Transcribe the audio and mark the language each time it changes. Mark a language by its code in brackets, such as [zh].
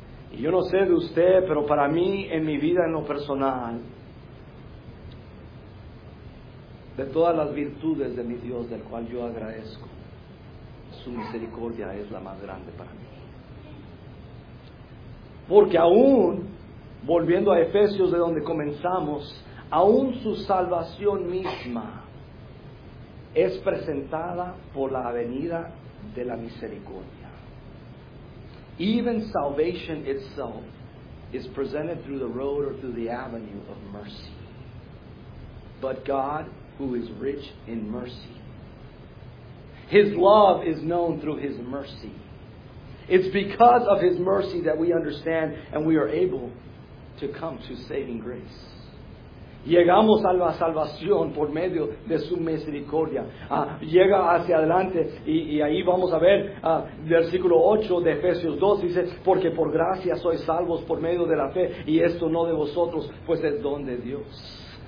[es] Y yo no sé de usted, pero para mí, en mi vida, en lo personal, de todas las virtudes de mi Dios, del cual yo agradezco, su misericordia es la más grande para mí. Porque aún, volviendo a Efesios de donde comenzamos, aún su salvación misma es presentada por la venida de la misericordia. [en] Even salvation itself is presented through the road or through the avenue of mercy. But God, who is rich in mercy, His love is known through His mercy. It's because of His mercy that we understand and we are able to come to saving grace. [es] Llegamos a la salvación por medio de su misericordia. Llega hacia adelante y ahí vamos a ver versículo 8 de Efesios 2. Dice: porque por gracia sois salvos por medio de la fe, y esto no de vosotros, pues es don de Dios.